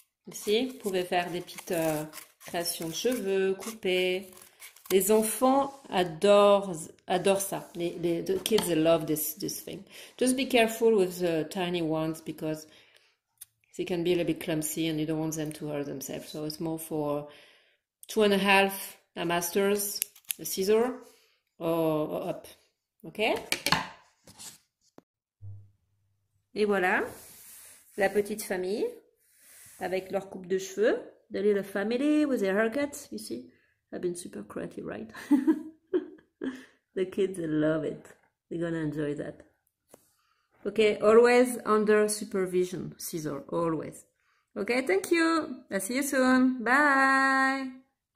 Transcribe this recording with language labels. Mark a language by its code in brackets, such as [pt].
[fr] Ici, vous pouvez faire des petites créations de cheveux, couper. Les enfants adorent ça. [en] The kids love this thing. Just be careful with the tiny ones because they can be a little bit clumsy and you don't want them to hurt themselves. So it's more for 2.5 masters, a scissor, or up. Okay? [fr] Et voilà. La petite famille avec leur coupe de cheveux. [en] The little family with their haircuts. You see, I've been super creative, right? The kids love it. They're gonna enjoy that. Okay, always under supervision, scissor, always. Okay, thank you. I'll see you soon. Bye.